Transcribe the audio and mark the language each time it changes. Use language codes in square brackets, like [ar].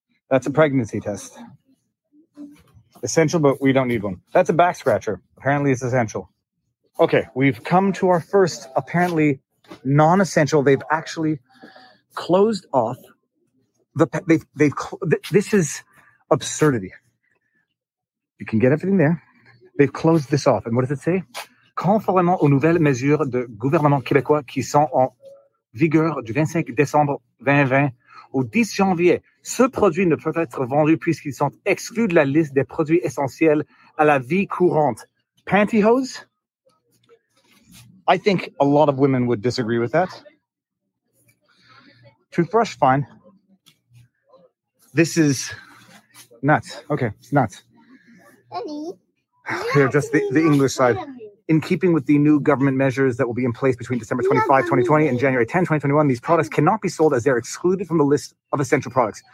[en] That's a pregnancy test. Essential, but we don't need one. That's a back scratcher. Apparently, it's essential. Okay, we've come to our first, apparently, non-essential. They've actually closed off the this is absurdity. You can get everything there. They've closed this off. And what does it say? [fr] Conformément aux nouvelles mesures de gouvernement québécois qui sont en vigueur du 25 décembre 2020 au 10 janvier, ces produits ne peuvent être vendus puisqu'ils sont exclus de la liste des produits essentiels à la vie courante. [en] Pantyhose? I think a lot of women would disagree with that. Toothbrush, fine. This is nuts. Okay, nuts. Here, just the English side. In keeping with the new government measures that will be in place between December 25, 2020 and January 10, 2021, these products cannot be sold as they're excluded from the list of essential products.